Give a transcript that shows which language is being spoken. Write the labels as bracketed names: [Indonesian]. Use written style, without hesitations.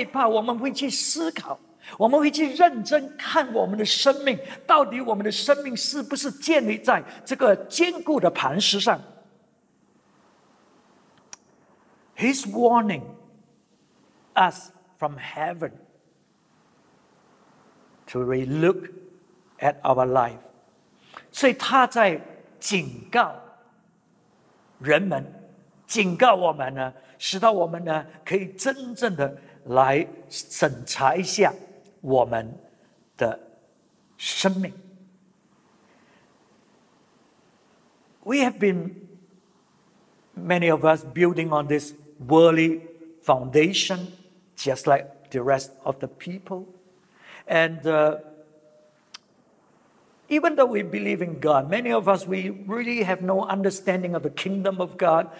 [Chinese] 所以其实现在这种的考验呢，神是要我们害怕，祂震动是要我们害怕，当然不是那一种恐慌使得我们失去理智，而是呢使得我们害怕，我们会去思考。我们会去认真看我们的生命，到底我们的生命是不是建立在这个坚固的磐石上？ [English] He's warning us from heaven to relook at our life. [Chinese] 所以他在警告人们，警告我们呢，使到我们呢可以真正的来审查一下 我们的生命。 [English] We have been, many of us, building on this worldly foundation, just like the rest of the people. And Even though we believe in God, many of us, we really have no understanding of the kingdom of God.